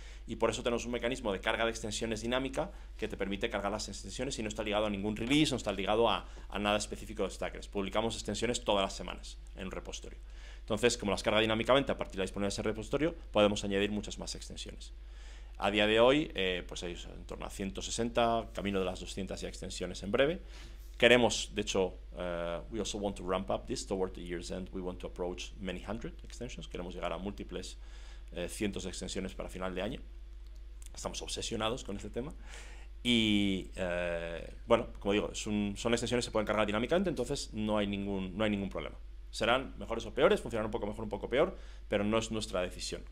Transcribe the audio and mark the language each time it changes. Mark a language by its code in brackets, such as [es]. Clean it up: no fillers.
[es] Y por eso tenemos un mecanismo de carga de extensiones dinámica que te permite cargar las extensiones y no está ligado a ningún release, no está ligado a nada específico de Stackers. Publicamos extensiones todas las semanas en un repositorio. Entonces, como las carga dinámicamente a partir de la disponibilidad de ese repositorio, podemos añadir muchas más extensiones. A día de hoy, pues hay en torno a 160, camino de las 200 y extensiones en breve. Queremos, de hecho, [en] we also want to ramp up this toward the year's end. We want to approach many hundred extensions. [es] Queremos llegar a múltiples cientos de extensiones para final de año. Estamos obsesionados con este tema. Y, bueno, como digo, son extensiones que se pueden cargar dinámicamente, entonces no hay ningún problema. Serán mejores o peores, funcionarán un poco mejor, un poco peor, pero no es nuestra decisión.